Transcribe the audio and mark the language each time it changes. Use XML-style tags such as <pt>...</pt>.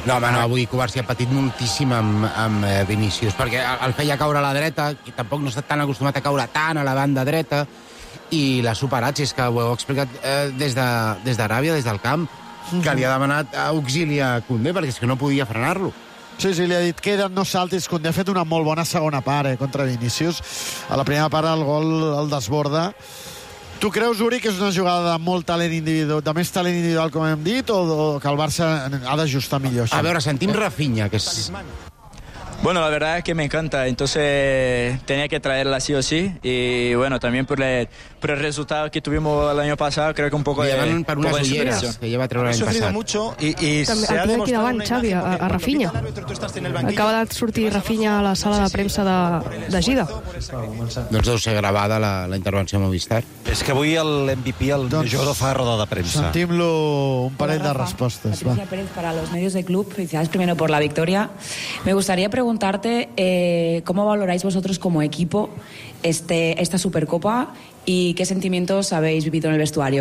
<ca>No, home, no, avui Covarsi ha patit moltíssim amb Vinícius, perquè el feia caure a la dreta, i tampoc no està tan acostumat a caure tant a la banda dreta, i l'ha superat, si és que ho heu explicat des d'Aràbia, des del camp, que li ha demanat auxili a Koundé perquè és que no podia frenar-lo. Sí, sí, li ha dit que no saltis, Koundé ha fet una molt bona segona part contra Vinícius. A la primera part el gol el desborda. Tu creus, Uri, que és una jugada de molt talent individual, de més talent individual, com hem dit, o que el Barça ha d'ajustar millor? Sí. A veure, sentim Rafinha, que és...</ca> <es>Bueno, la verdad es que me encanta, entonces tenía que traerla sí o sí, y bueno, también por el resultado que tuvimos el año pasado, creo que un poco de superación. Ha sufrido mucho y se ha demostrado una</es> <ca>imagen... A Rafinha. Acaba de sortir Rafinha a la sala de premsa de Gida. Doncs deu ser gravada la intervenció a Movistar. És que avui l'MVP, el jugador, fa roda de premsa. Sentim-lo un parell de respostes.</ca> <es>Patricia Pérez para los medios de club, felicidades primero por la victoria. Me gustaría preguntarte cómo valoráis vosotros como equipo esta Supercopa y qué sentimientos habéis vivido en el vestuario.</es>